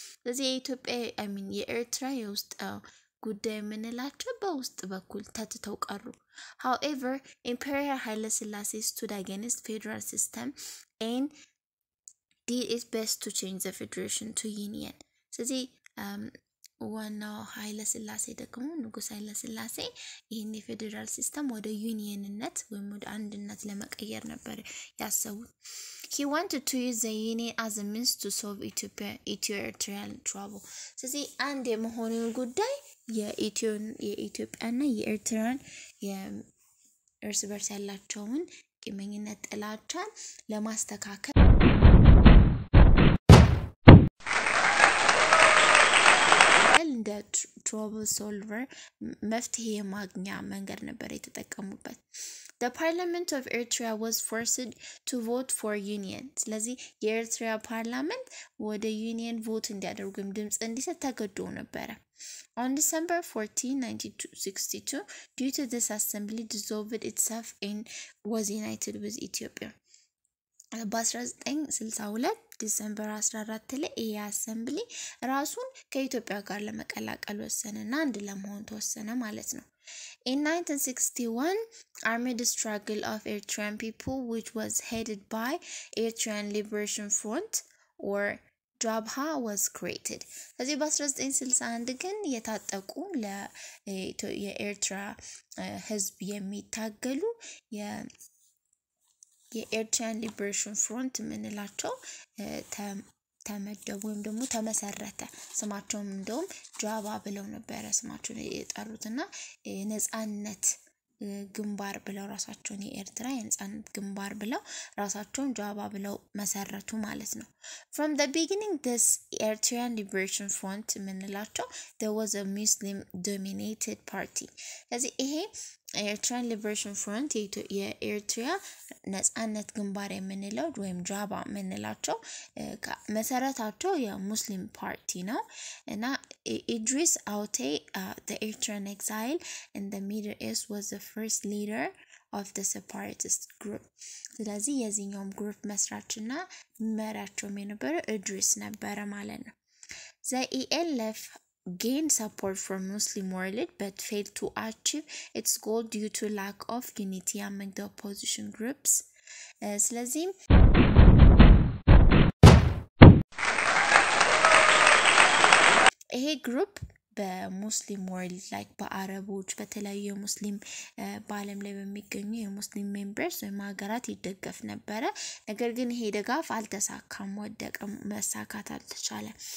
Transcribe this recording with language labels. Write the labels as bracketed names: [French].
[Amharic] አዚ ኢትዮጵያ የኤርትራ የውስጥ ጉዳይ ምንላቸው በውስጥ በኩል ተተው ቀሩ። [English] However, Emperor Haile Selassie stood against federal system and did his best to change the federation to union. [Amharic] ስለዚህ ዋናው ኃይለ ሥላሴ ደግሞ ንጉስ ኃይለ ሥላሴ ይህን የፌዴራል ሲስተም ወደ ዩኒየንነት ወይም ወደ አንድነት ለመቀየር ነበር ያሰቡት። [English] He wanted to use the union as a means to solve Ethiopia-Eritrean trouble. [Amharic] ስለዚህ አንድ የመሆኑን ጉዳይ የኢትዮጵያና የኤርትራን የእርስ በርስ ያላቸውን ቂመኝነት ጥላቻን ለማስተካከል and [English] trouble solver [Amharic] መፍትሄ የማግኛ መንገድ ነበር የተጠቀሙበት። [English] The parliament of Eritrea was forced to vote for union. [Amharic] ስለዚህ የኤርትራ parliament ወደ union vote እንዲያደርግም ድምጽ እንዲሰጥ ተገዶ ነበር። [English] On December 14, 1962, due to this assembly dissolved itself and was united with Ethiopia. [Amharic] በ1962 December 14 ላይ ይሄ አሰምብሊ ራሱን ከኢትዮጵያ ጋር ለመቀላቀል ወሰነና አንድ ለመሆን ተወሰነ ማለት ነው። [English] In 1961, armed struggle of Eritrean people which was headed by Eritrean Liberation Front or Jabha was created. [Amharic] ስለዚህ በ1961 ግን የታጠቁ ለኤርትራ ህዝብ የሚታገሉ የኤርትራ ሊበሬሽን ፍሮንት ምንላቸው ተመደቡ ወይም ደግሞ ተመሰረተ። ስማቸውም እንደውም ጃባ ብለው ነበር ስማቸውን የጠሩትና የነጻነት ግንባር ብለው ራሳቸውን የኤርትራ የነጻነት ግንባር ብለው ራሳቸውን ጃባ ብለው መሰረቱ ማለት ነው። [English] From the beginning this Eritrean Liberation Front ምንላቸው there was a Muslim dominated party. [Amharic] ስለዚህ ይሄ Eritrean Liberation Front የኤርትራ ነጻነት ግንባር የምንለው ወይም ጃባ የምንላቸው መሰረታቸው የሙስሊም ፓርቲ ነው እና [English] Idris Aute the Eritrean exile in the Middle East was the first leader of the separatist group. [Amharic] ስለዚህ የዚህኛውም ግሩፕ መስራችና መራቸው የነበረው Idris ነበር ማለት ነው። [English] The ELF gained support from Muslim world but failed to achieve its goal due to lack of unity among the opposition groups. [Amharic] ስለዚህ ይሄ group በሙስሊም world like በአረቦች በተለያዩ የሙስሊም ባለም ላይ በሚገኙ የሙስሊም members ወይም ሀገራት ይደገፍ ነበረ። ነገር ግን ይሄ ድጋፍ አልተሳካም፣ ወደቀ፣ መሳካት አልተቻለም።